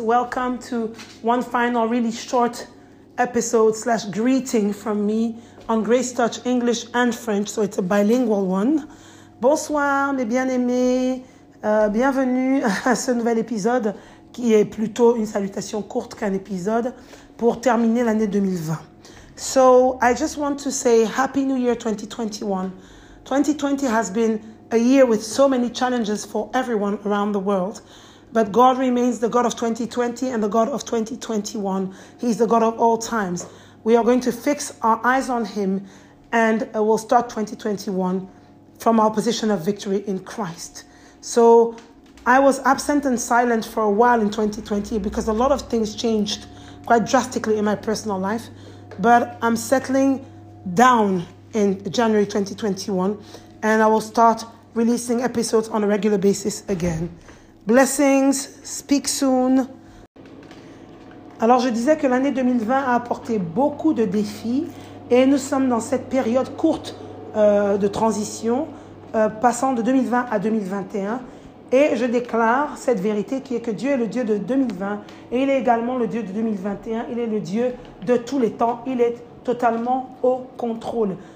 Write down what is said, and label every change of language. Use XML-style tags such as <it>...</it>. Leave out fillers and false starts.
<en>Welcome to one final, really short episode / greeting from me on Grace Touch English and French. So it's a bilingual one.</en> <fr>Bonsoir, mes bien-aimés. Bienvenue à ce nouvel épisode qui est plutôt une salutation courte qu'un épisode pour terminer l'année 2020.</fr> <en>So I just want to say Happy New Year 2021. 2020 has been a year with so many challenges for everyone around the world. But God remains the God of 2020 and the God of 2021. He's the God of all times. We are going to fix our eyes on Him and we'll start 2021 from our position of victory in Christ. So I was absent and silent for a while in 2020 because a lot of things changed quite drastically in my personal life. But I'm settling down in January 2021 and I will start releasing episodes on a regular basis again. Blessings, speak soon.</en> <fr>Alors je disais que l'année 2020 a apporté beaucoup de défis et nous sommes dans cette période courte de transition passant de 2020 à 2021 et je déclare cette vérité qui est que Dieu est le Dieu de 2020 et il est également le Dieu de 2021, il est le Dieu de tous les temps, il est totalement au contrôle.</fr>